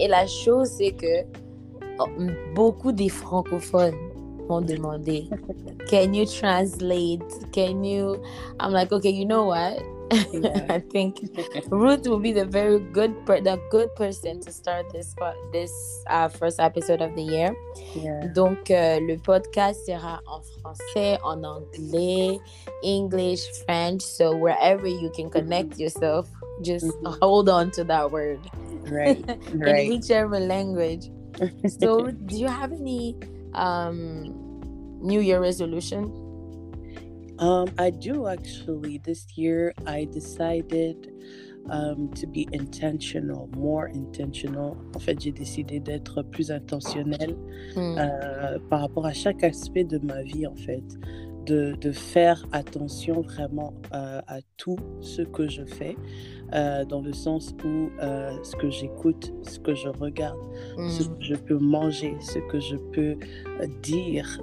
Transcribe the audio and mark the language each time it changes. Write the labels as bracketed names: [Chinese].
[French] Et la chose, c'est que beaucoup des francophones m'ont demandé, [English] can you translate? Can you? I'm like, okay, you know what? Yeah. I think Ruth will be the very good person to start this first episode of the year. Yeah. [French] Donc le podcast sera en français, en anglais, English, French. [English] So wherever you can connect yourself, just hold on to that word. Right. In whichever language. So do you have any New Year resolution? I do actually. This year I decided to be intentional, more intentional. [French] En fait, j'ai décidé d'être plus intentionnel par rapport à chaque aspect de ma vie, en fait, de faire attention vraiment à tout ce que je fais, dans le sens où ce que j'écoute, ce que je regarde, ce que je peux manger, ce que je peux dire.